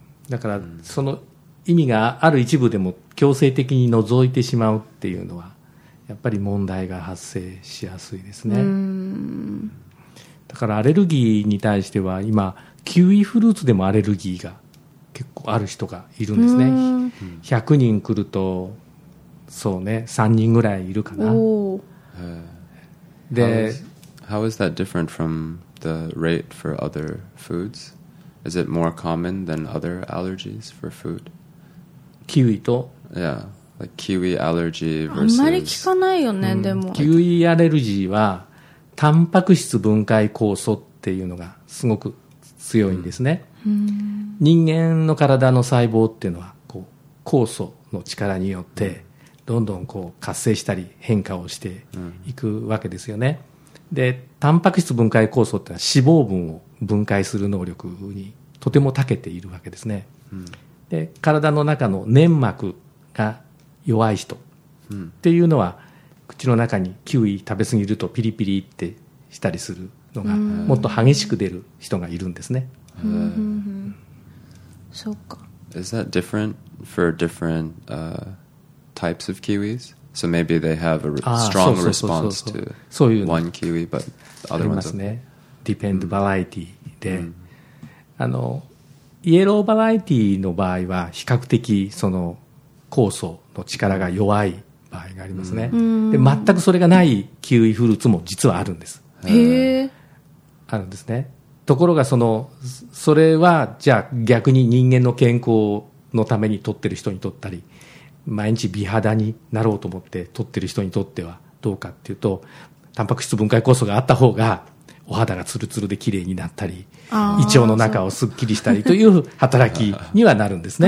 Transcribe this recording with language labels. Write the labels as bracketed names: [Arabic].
[Japanese] だからその意味がある一部でも強制的に除いてしまうっていうのはやっぱり問題が発生しやすいですね、うん、だからアレルギーに対しては今キウイフルーツでもアレルギーが結構ある人がいるんですね、うん、 100人来るとそうね3人ぐらいいるかな。おで [English] how is that different from the rate for other foods? Is it more common than other allergies for food? [Japanese] キウイと、 [English] yeah. like、 [Japanese] キウイアレルギー [English] versus… [Japanese] あんまり聞かないよね、うん、でもキウイアレルギーはタンパク質分解酵素っていうのがすごく強いんですね、うん、人間の体の細胞っていうのはこう酵素の力によってどんどんこう活性したり変化をしていくわけですよね、うん、でタンパク質分解酵素ってのは脂肪分を分解する能力にとても長けているわけですね、うんで体の中の粘膜が弱い人っていうのは、うん、口の中にキウイ食べ過ぎるとピリピリってしたりするのがもっと激しく出る人がいるんですね。そうか。 [English] Is that different for different、types of kiwis? So maybe they have a strong response to [Japanese] そういうの [English] one kiwi, but the other ones are depend variety [Japanese] で、うん、あの。イエローバラエティの場合は比較的その酵素の力が弱い場合がありますね、うん、で全くそれがないキウイフルーツも実はあるんです。へえ。あるんですね。ところがそのそれはじゃあ逆に人間の健康のために取ってる人にとったり毎日美肌になろうと思って取ってる人にとってはどうかっていうとタンパク質分解酵素があった方がお肌がツルツルで綺麗になったり胃腸の中をすっきりしたりという働きにはなるんですね。